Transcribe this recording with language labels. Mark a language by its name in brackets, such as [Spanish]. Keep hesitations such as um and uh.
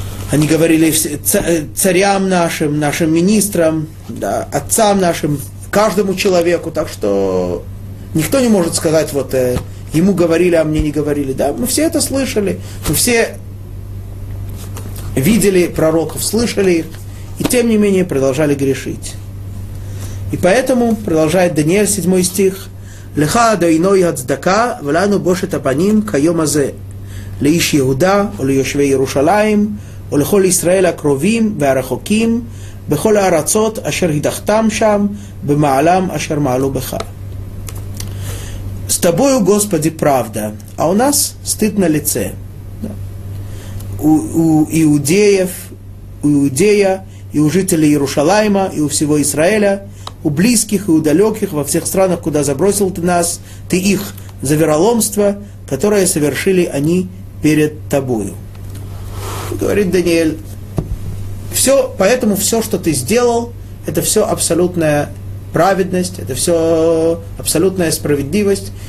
[Russian] Они говорили царям нашим, нашим министрам, да, отцам нашим, каждому человеку. Так что никто не может сказать, вот э, ему говорили, а мне не говорили. Да, мы все это слышали, мы все видели пророков, слышали их, и тем не менее продолжали грешить. И поэтому, продолжает Даниэль, 7 стих, [Hebrew] «Леха дайной ацдака, влану бошет апаним кайомазе, לאיש יהודה או ליושבי ירושלים, או לכל ישראל הקרובים והרחוקים, בכל הארצות אשר הדחתם שם, במעלם אשר מעלו בך. [Russian] С тобою, Господи, правда, а у нас стыд на лице. У, у иудеев, у иудея, и у жителей Иерушалайма, и у всего Израиля, у близких и у далеких, во всех странах, куда забросил ты нас, ты их за вероломство, которое совершили они перед тобою говорит Даниэль, все, поэтому все, что ты сделал, это все абсолютная праведность, это все абсолютная справедливость.